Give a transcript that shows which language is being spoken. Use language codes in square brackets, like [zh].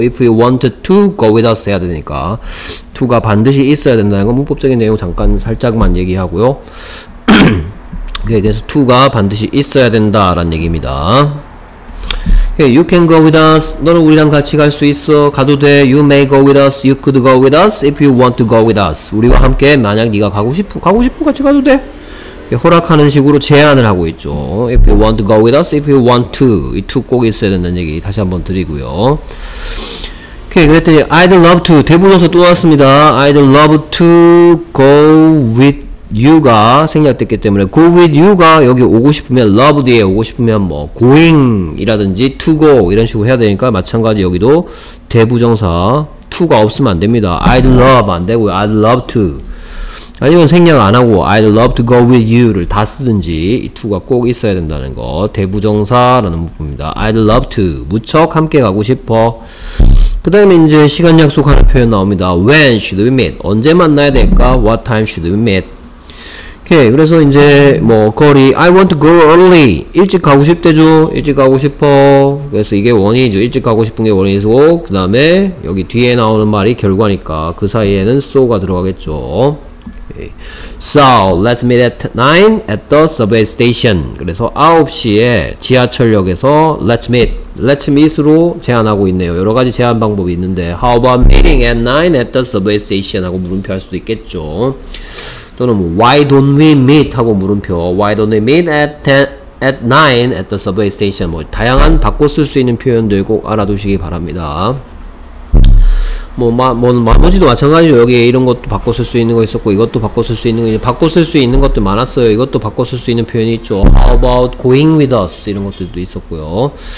[en] If you want to go with us [ko] 해야 되니까 to가 반드시 있어야 된다는 건 문법적인 내용 잠깐 살짝만 얘기하고요. 그래서 to가 반드시 있어야 된다라는 얘기입니다. [en] You can go with us. [ko] 너는 우리랑 같이 갈 수 있어. 가도 돼. [en] You may go with us. You could go with us if you want to go with us. [ko] 우리와 함께 만약 네가 가고 싶어 같이 가도 돼. 허락하는 식으로 제안을 하고 있죠. [en] If you want to go with us, if you want to. [ko] 이 to 꼭 있어야 된다는 얘기 다시 한번 드리고요. 오케이, 그랬더니 [en] I'd love to. [ko] 대부정사 또 왔습니다. [en] I'd love to go with you [ko] 가 생략됐기 때문에 go with you가 여기 오고 싶으면 love 뒤에 오고 싶으면 뭐 going이라든지 to go 이런 식으로 해야 되니까 마찬가지 여기도 대부정사 to가 없으면 안 됩니다. [en] I'd love [ko] 안 되고 [en] I'd love to. [ko] 아니면 생략 안 하고 [en] I'd love to go with you [ko] 를 다 쓰든지 이 to가 꼭 있어야 된다는 거 대부정사라는 문법입니다. [en] I'd love to [ko] 무척 함께 가고 싶어. 그 다음에 이제 시간 약속하는 표현 나옵니다. [en] When should we meet? [ko] 언제 만나야 될까? [en] What time should we meet? [ko] 오케이 그래서 이제 뭐 거리 [en] I want to go early [ko] 일찍 가고 싶대죠. 일찍 가고 싶어. 그래서 이게 원인이죠. 일찍 가고 싶은 게 원인이고 그 다음에 여기 뒤에 나오는 말이 결과니까 그 사이에는 so가 들어가겠죠. [en] So, let's meet at 9 at the subway station. [ko] 그래서 9시에 지하철역에서 [en] let's meet. Let's meet으로 [ko] 제안하고 있네요. 여러 가지 제안 방법이 있는데 [en] How about meeting at 9 at the subway station? [ko] 하고 물음표 할 수도 있겠죠. [en] 또는 뭐, Why don't we meet? [ko] 하고 물음표 [en] Why don't we meet at 9 at the subway station? [ko] 뭐 다양한 바꿔 쓸 수 있는 표현들 꼭 알아두시기 바랍니다. 나머지도 마찬가지죠. 여기 이런 것도 바꿔 쓸 수 있는 거 있었고 이것도 바꿔 쓸 수 있는 거 바꿔 쓸 수 있는 것도 많았어요. 이것도 바꿔 쓸 수 있는 표현이 있죠. [en] How about going with us? [ko] 이런 것들도 있었고요.